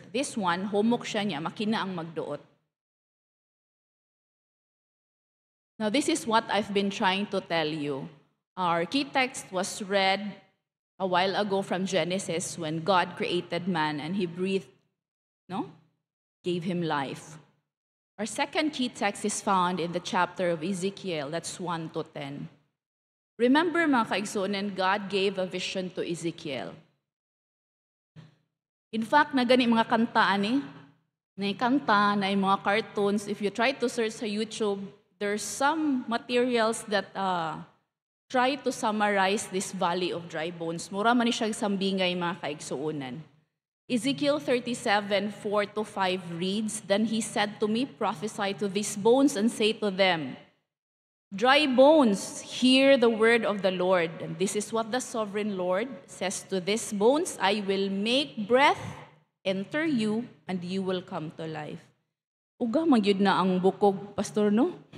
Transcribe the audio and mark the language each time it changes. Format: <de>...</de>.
<ceb>This one, humuk siya niya, makina ang magduot.</ceb> <en>Now, this is what I've been trying to tell you. Our key text was read a while ago from Genesis when God created man and he breathed, no? Gave him life. Our second key text is found in the chapter of Ezekiel, that's 1 to 10. Remember,</en> <ceb>mga kaigsoonan,</ceb> <en>God gave a vision to Ezekiel. In fact,</en> <ceb>na gani mga kanta ani, na yung kanta, na yung mga cartoons,</ceb> <en>if you try to search sa YouTube, there's some materials that try to summarize this valley of dry bones.</en> <ceb>Mura man siyang sambingay mga kaigsuunan.</ceb> <en>Ezekiel 37, 4 to 5 reads, "Then he said to me, prophesy to these bones and say to them, dry bones, hear the word of the Lord. And this is what the sovereign Lord says to these bones, I will make breath enter you and you will come to life."</en> <ceb>Uga magyud na ang bukog, pastor, no?</ceb>